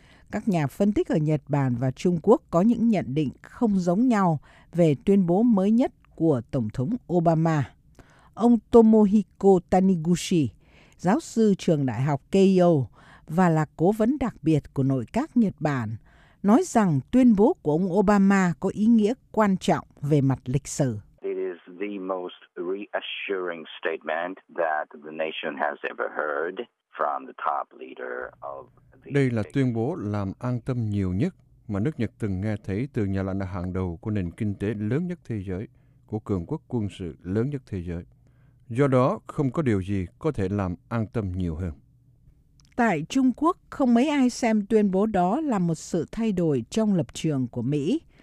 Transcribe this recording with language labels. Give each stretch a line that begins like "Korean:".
Vietnamese: Các nhà phân tích ở Nhật Bản và Trung Quốc có những nhận định không giống nhau về tuyên bố mới nhất của Tổng thống Obama. Ông Tomohiko Taniguchi, giáo sư trường đại học Keio và là cố vấn đặc biệt của nội các Nhật Bản, nói rằng tuyên bố của ông Obama có ý nghĩa quan trọng về mặt lịch sử.
English: It is the most reassuring statement that the nation has ever heard from the top leader of the.
Vietnamese: Đây là tuyên bố làm an tâm nhiều nhất mà nước Nhật từng nghe thấy từ nhà lãnh đạo hàng đầu của nền kinh tế lớn nhất thế giới, của cường quốc quân sự lớn nhất thế giới. Do đó, không có điều gì có thể làm an tâm nhiều hơn. Tại Trung Quốc, không mấy ai xem tuyên bố đó là một sự thay đổi trong lập trường của Mỹ.